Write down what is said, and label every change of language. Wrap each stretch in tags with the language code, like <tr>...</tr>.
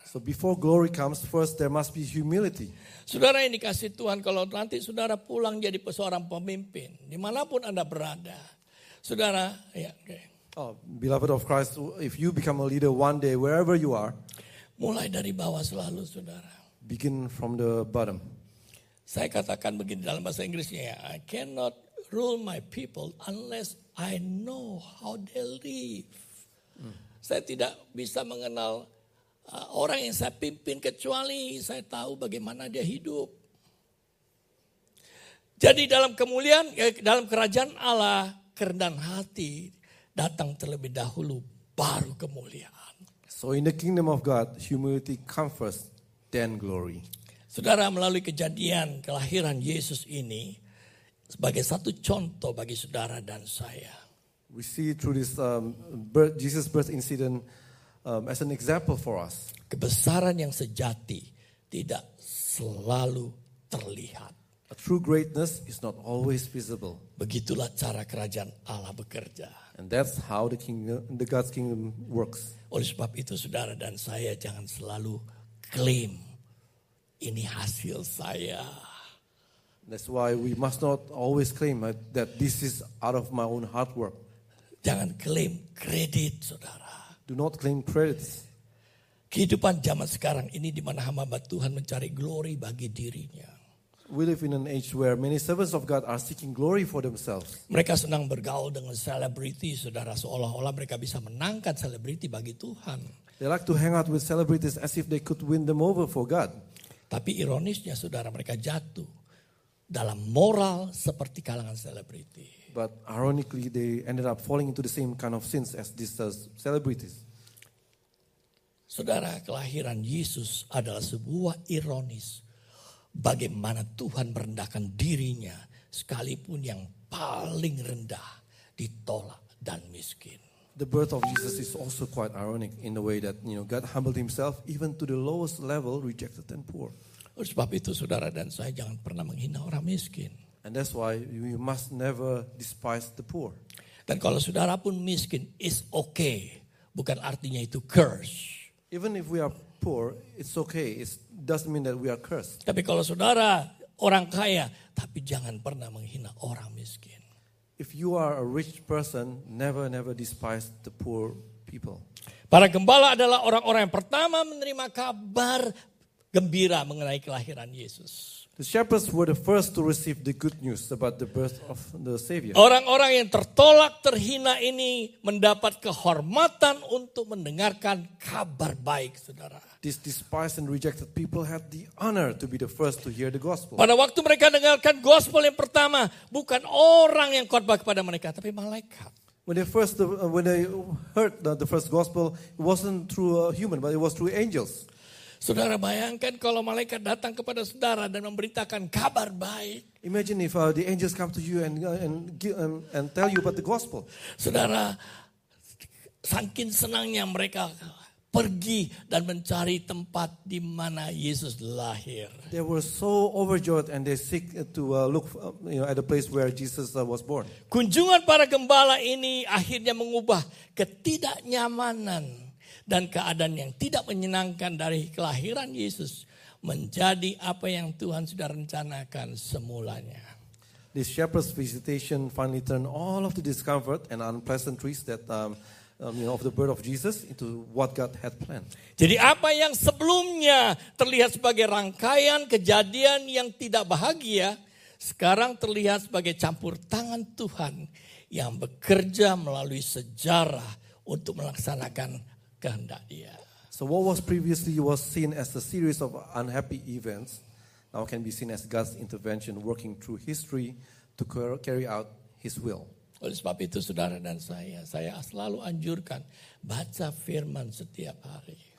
<en>So before glory comes, first there must be humility.</en> <id>Saudara yang dikasih Tuhan, kalau nanti saudara pulang jadi seorang pemimpin, dimanapun Anda berada, saudara, ya.</id> <en>Oh, beloved of Christ, if you become a leader one day, wherever you are,</en> <id>mulai dari bawah selalu, saudara.</id> <en>Begin from the bottom.</en> <id>Saya katakan begini dalam bahasa Inggrisnya,</id> <en>I cannot rule my people unless I know how they live.</en> <id>Saya tidak bisa mengenal orang yang saya pimpin kecuali saya tahu bagaimana dia hidup. Jadi dalam kemuliaan, dalam kerajaan Allah, kerendahan hati datang terlebih dahulu, baru kemuliaan.</id> <en>So in the kingdom of God, humility comes first, then glory.</en> <id>Saudara, melalui kejadian kelahiran Yesus ini sebagai satu contoh bagi saudara dan saya.</id> <en>We see through this Jesus birth incident as an example for us.</en> <id>Kebesaran yang sejati tidak selalu terlihat.</id> <en>A true greatness is not always visible.</en> <id>Begitulah cara kerajaan Allah bekerja.</id> <en>And that's how the kingdom, the God's kingdom works.</en> <id>Oleh sebab itu saudara dan saya jangan selalu claim ini hasil saya.</id> <en>That's why we must not always claim that this is out of my own hard work.</en> <id>Jangan claim credit, saudara.</id> <en>Do not claim credits.</en> <id>Kehidupan zaman sekarang ini di mana hamba Tuhan mencari glory bagi dirinya.</id> <en>We live in an age where many servants of God are seeking glory for themselves.</en> <id>Mereka senang bergaul dengan selebriti, saudara, seolah-olah mereka bisa menangkan selebriti bagi Tuhan.</id> <en>They like to hang out with celebrities as if they could win them over for God.</en> <id>Tapi ironisnya, saudara, mereka jatuh dalam moral seperti kalangan selebriti.</id> <en>But ironically, they ended up falling into the same kind of sins as these celebrities.</en> <id>Saudara, kelahiran Yesus adalah sebuah ironis bagaimana Tuhan merendahkan dirinya sekalipun yang paling rendah, ditolak dan miskin.</id> <en>The birth of Jesus is also quite ironic in the way that, you know, God humbled himself even to the lowest level, rejected and poor.</en> <id>Oleh sebab itu saudara dan saya jangan pernah menghina orang miskin.</id> <en>And that's why you must never despise the poor.</en> <id>Dan kalau saudara pun miskin,</id> <en>it's okay.</en> <id>Bukan artinya itu curse.</id> <en>Even if we are poor, it's okay. It doesn't mean that we are cursed.</en> <id>Tapi kalau saudara orang kaya, tapi jangan pernah menghina orang miskin.</id> <en>If you are a rich person, never, never despise the poor people.</en> <id>Para gembala adalah orang-orang yang pertama menerima kabar gembira mengenai kelahiran Yesus.</id> <en>The shepherds were the first to receive the good news about the birth of the Savior.</en> <id>Orang-orang yang tertolak, terhina ini mendapat kehormatan untuk mendengarkan kabar baik, saudara.</id> <en>These despised and rejected people had the honor to be the first to hear the gospel.</en> <id>Pada waktu mereka dengarkan gospel yang pertama, bukan orang yang khotbah kepada mereka, tapi malaikat.</id> <en>When they heard the first gospel, it wasn't through a human, but it was through angels.</en> <id>Saudara bayangkan kalau malaikat datang kepada saudara dan memberitakan kabar baik.</id> <en>Imagine if the angels come to you and tell you about the gospel.</en> <id>Saudara, saking senangnya mereka pergi dan mencari tempat di mana Yesus lahir.</id> <en>They were so overjoyed and they seek to look at the place where Jesus was born.</en> <id>Kunjungan para gembala ini akhirnya mengubah ketidaknyamanan dan keadaan yang tidak menyenangkan dari kelahiran Yesus menjadi apa yang Tuhan sudah rencanakan semulanya.</id> <en>The shepherd's visitation finally turned all of the discomfort and unpleasantries that of the birth of Jesus into what God had planned.</en> <id>Jadi apa yang sebelumnya terlihat sebagai rangkaian kejadian yang tidak bahagia, sekarang terlihat sebagai campur tangan Tuhan yang bekerja melalui sejarah untuk melaksanakan kehendak Dia.</id> <en>So what was previously was seen as a series of unhappy events now can be seen as God's intervention working through history to carry out His will.</en> <id>Oleh sebab itu, saudara dan saya selalu anjurkan baca firman setiap hari.</id>